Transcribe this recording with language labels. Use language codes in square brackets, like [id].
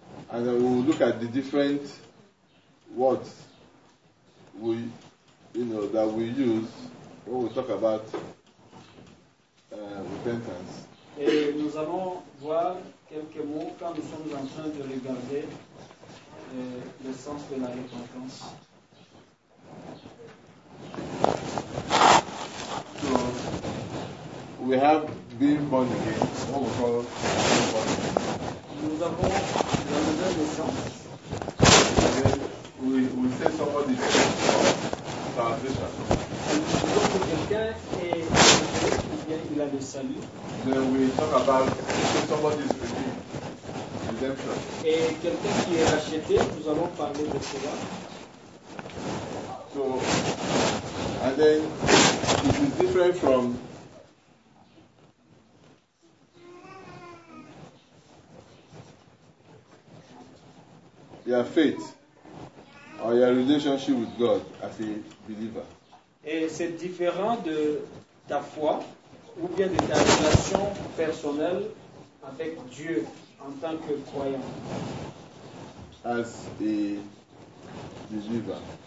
[en] And we will look at the different words we, you know, that we use when we talk about repentance. [fr] Et nous allons voir quelques mots quand nous sommes en train de regarder le sens de la récompense. [en] So we have being born again, what we call being born again. [fr] Nous avons la nouvelle naissance. [en] Again, we say somebody is born for salvation. [fr] Donc quelqu'un est sauvé ou bien il a le salut. [en] Then we talk about if somebody is redeemed, redemption. [fr] Et quelqu'un qui est racheté, nous allons parler de cela. [en] So, and then it is different from your faith or your relationship with God as a believer. [fr] Et c'est différent de ta foi ou bien de ta relation personnelle avec Dieu en tant que croyant. [en] As a believer.